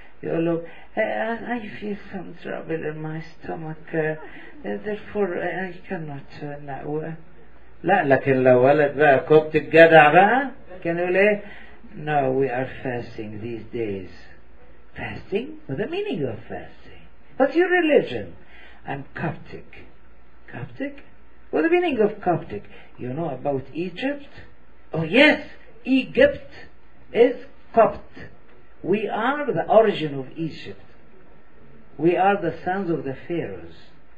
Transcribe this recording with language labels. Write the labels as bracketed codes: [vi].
[en] you look, I feel some trouble in my stomach, therefore I cannot now. [ar] لا لكن لو ولد بقى كوبت الجدع بقى كانوا يقول ايه [en] no we are fasting these days. Fasting? What the meaning of fasting? What's your religion? I'm Coptic. Coptic? What the meaning of Coptic? You know about Egypt? Oh yes, Egypt is Copt. We are the origin of Egypt. We are the sons of the pharaohs.